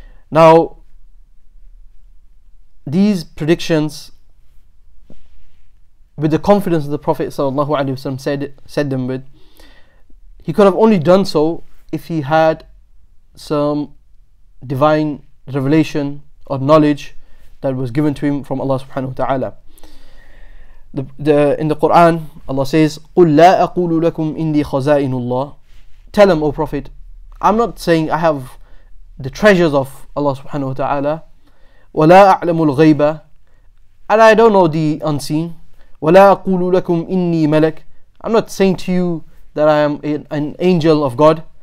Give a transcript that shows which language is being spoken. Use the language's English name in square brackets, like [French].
[English] Now, these predictions, with the confidence of the Prophet sallallahu alaihi wasallam said them with, he could have only done so if he had some divine revelation or knowledge that was given to him from Allah subhanahu wa ta'ala. In the Quran, Allah says, [Arabic] قُلْ لَا أَقُولُ لَكُمْ إِنِّي خَزَائِنُ اللَّهِ. [English] Tell him, O Prophet, I'm not saying I have the treasures of Allah subhanahu wa ta'ala. [Arabic] وَلَا أَعْلَمُ الْغَيْبَ. [English] And I don't know the unseen. [Arabic] وَلَا أَقُولُ لَكُمْ إِنِّي مَلَكٌ. [English] I'm not saying to you that I am an angel of God.